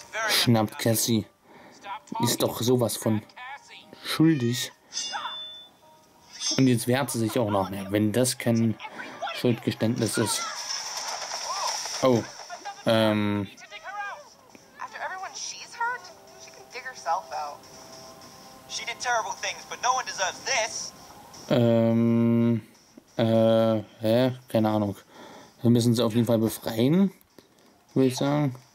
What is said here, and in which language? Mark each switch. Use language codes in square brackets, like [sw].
[de] Schnappt Cassie. Ist doch sowas von schuldig. Und jetzt wehrt sie sich auch noch mehr, wenn das kein Schuldgeständnis ist. Oh, [en] After everyone she's hurt, she can dig herself out. She did terrible things, but no one deserves this. [de] Keine Ahnung. Wir müssen sie auf jeden Fall befreien, würde ich sagen.